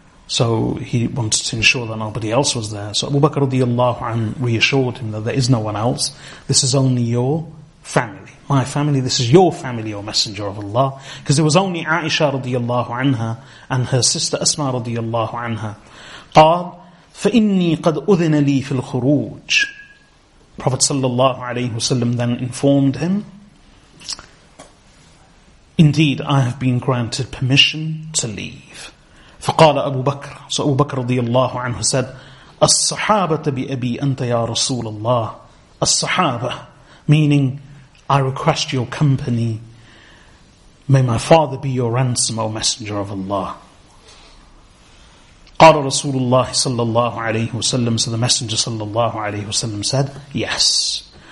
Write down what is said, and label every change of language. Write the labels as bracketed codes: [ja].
[en] So he wanted to ensure that nobody else was there. So Abu Bakr radiallahu anhu reassured him that there is no one else. This is only your family. My family, this is your family, O Messenger of Allah. Because it was only Aisha radiallahu anha and her sister Asma radiallahu anha. [ar] قال, فإني قد أذن لي في الخروج. [en] Prophet sallallahu alayhi wasallam then informed him, indeed, I have been granted permission to leave. [ar] فقال أبو بكر, [en] so Abu Bakr [ar] رضي الله عنه [en] said, [ar] الصحابة بأبي أنت يا رسول الله. [en] الصحابة, meaning, I request your company, may my father be your ransom, O Messenger of Allah. Qala Rasulullah sallallahu alayhi wa sallam, so the Messenger sallallahu alayhi wa sallam said, yes.